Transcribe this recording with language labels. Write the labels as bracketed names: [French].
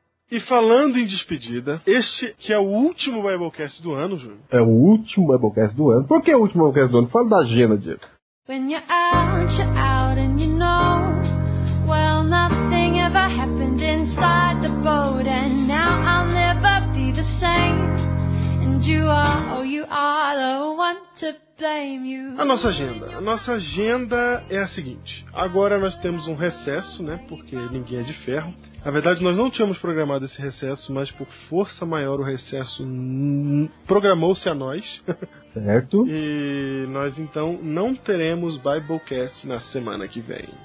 [Portuguese] E falando em despedida, este que é o último Biblecast do ano, Júnior. É o último Biblecast do ano. Por que é o último Biblecast do ano? Fala da agenda, Diego. [English] When you're out and you know, well, nothing ever happened inside the boat, and now I'll never be the same. And you are, oh, you are the one to blame you. [Portuguese] A nossa agenda. A nossa agenda é a seguinte. Agora nós temos um recesso, né? Porque ninguém é de ferro. Na verdade, nós não tínhamos programado esse recesso, mas por força maior o recesso programou-se a nós. Certo. E nós, então, não teremos Biblecast na semana que vem.